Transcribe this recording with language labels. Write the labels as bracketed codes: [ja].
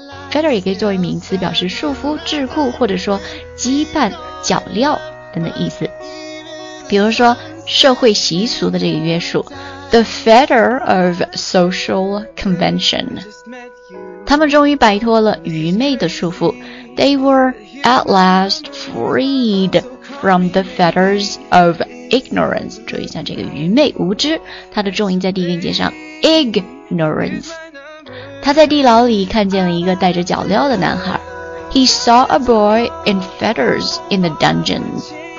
[zh] Fetter 也可以作为名词，表示束缚、桎梏，或者说羁绊、脚镣等等意思。比如说社会习俗的这个约束， [en] The fetter of social convention. [zh] 他们终于摆脱了愚昧的束缚。 [en] They were at last freed from the fetters of ignorance. [zh] 注意一下这个愚昧无知，它的重音在第一音节上 ,ignorance. 他在地牢里看见了一个戴着脚镣的男孩。 [en] He saw a boy in fetters in the dungeons.